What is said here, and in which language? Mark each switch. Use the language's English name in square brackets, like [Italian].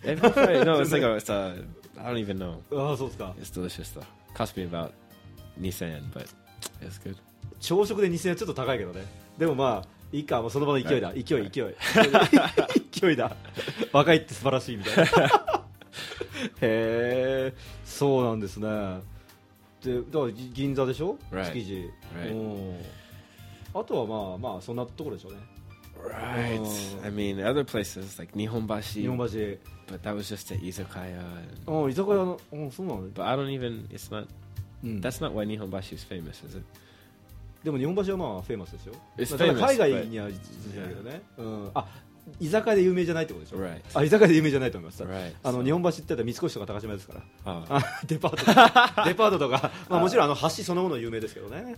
[English] エビフライ、no, it's like, it's a, I don't even know. [Japanese] ああ、そうですか。 [English] It's delicious though. Cost me about 2000 yen, but it's good. [Japanese] 朝食で2000円ちょっと高いけどね。でもまあ、いいか、もうその場の勢いだ。 Right. 勢い、勢い。勢いだ。若いって素晴らしいみたいな。へえ、そうなんですね。で、だから銀座でしょ、 [English] right. [Japanese] 築地。 [English] Right. [Japanese] あとはまあ、まあ、そんなところでしょうね。 [English] Right. I mean, other places like Nihonbashi. Nihonbashi. But that was just an izakaya. Oh, izakaya. Oh, so なの But I don't even. It's not. That's not why Nihonbashi is famous, is it? [Japanese] でも Nihonbashi はまあ famous ですよ。 [English] It's famous. [Japanese] 海外にはですけどね。うん。あ、居酒屋で有名じゃないってことでしょ、 [English] right. [Japanese] あ居酒屋で有名じゃないと思います、 [English] right. [Japanese] あの日本橋って言ったら三越とか高島屋ですから、デパートとか、デパートとか、まあ、もちろんあの橋そのもの有名ですけどね。